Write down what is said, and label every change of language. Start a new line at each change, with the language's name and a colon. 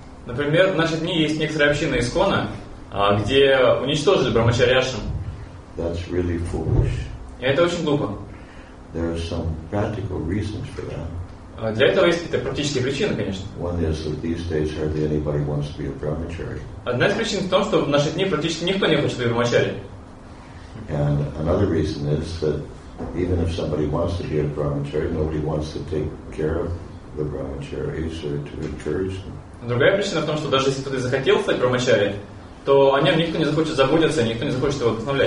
Russian: Например, в наши дни есть некоторая община Искона, где уничтожили брахмачари ашрам.
English: That's really foolish.
Russian: И это очень глупо.
English: There are some practical reasons for that.
Russian: Для этого есть какие-то практические причины, конечно.
English: One is that these days hardly anybody wants to be a brahmachari.
Russian: Одна из причин в том, что в наши дни практически никто не хочет быть брахмачари.
English: And another reason is that even if somebody wants to be a brahmachari, nobody wants to take care of the brahmacharis or to encourage them.
Russian: Другая причина в том, что даже если кто-то захотел стать брахмачари, то о нем никто не захочет заботиться, никто не захочет его